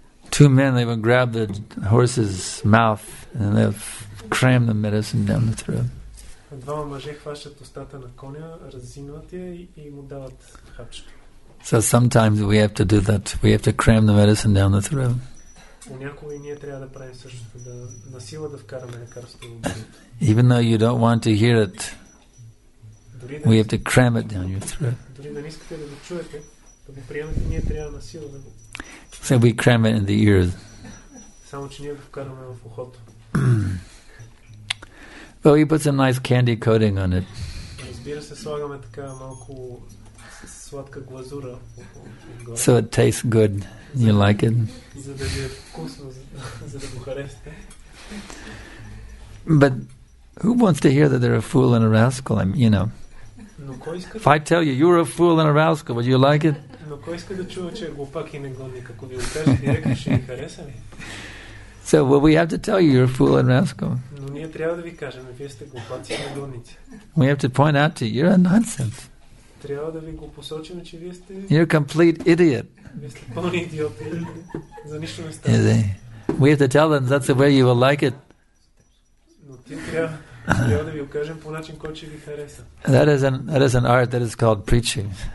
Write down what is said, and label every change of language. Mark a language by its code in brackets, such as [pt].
[en] Two men, they would grab the horse's mouth and they would cram the medicine down the throat. [bg] Двама мъже хващат устата на коня, разинуват я и му дават хапчето. [en] So sometimes we have to do that. We have to cram the medicine down the throat. [bg] Понякога ние трябва да правим същото, да на сила да вкараме лекарство. [en] Even though you don't want to hear it, we have to cram it down your throat. [bg] Дори да не искате да го чуете, да го приемете, ние трябва на сила да го... [en] So we cram it in the ears. [bg] Само че ние го вкараме в ухото. [en] Well, he puts a nice candy coating on it. [bg] Разбира се, слагаме така малко сладка глазура. [en] So it tastes good. You like it? [bg] За да ви е вкусно, за да го харесате. [en] But who wants to hear that they're a fool and a rascal? I mean, you know. [bg] Но кой иска? [en] If I tell you, you're a fool and a rascal, would you like it? [bg] Но кой иска да чува, че е глупак и негодник? Ако ви го кажа, директно ще ви хареса ли? [en] So, well, we have to tell you, you're a fool and rascal. [bg] Но ние трябва да ви кажем, вие сте глупаци и негодници. [en] We have to point out to you, you're a nonsense. [bg] Трябва да ви го посочим, че вие сте... [en] You're a complete idiot. [bg] Вие сте пълни идиоти. За нищо не става. Yeah, [en] we have to tell them, that's the way you will like it. [bg] Но ти трябва да ви го кажем по начин, който ще ви хареса. [en] That is an art that is called preaching.